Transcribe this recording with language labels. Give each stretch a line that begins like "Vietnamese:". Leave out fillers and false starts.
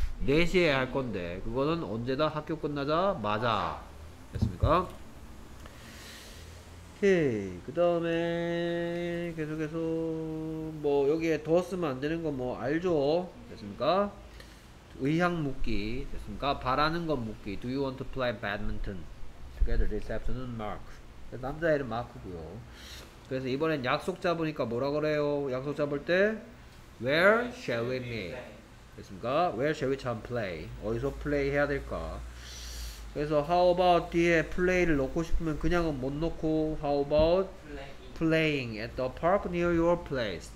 Korean: 4시에 할 건데, 그거는 언제다? 학교 끝나자? 맞아. 됐습니까? 오케이. 그 다음에, 계속해서, 뭐, 여기에 더 쓰면 안 되는 건 뭐, 알죠? 됐습니까? 의향 묻기. 됐습니까? 바라는 건 묻기.
English: Do you want to play badminton together this afternoon, Mark?
Korean: 남자 이름 마크고요. 그래서 이번엔 약속 잡으니까 뭐라 그래요? 약속 잡을 때
English: Where shall we meet?
Korean: 됐습니까?
English: Where shall we come play?
Korean: 어디서 플레이 해야 될까? 그래서
English: How about 뒤에 플레이를 넣고 싶으면 그냥은 못 넣고 How about playing at the park near your place?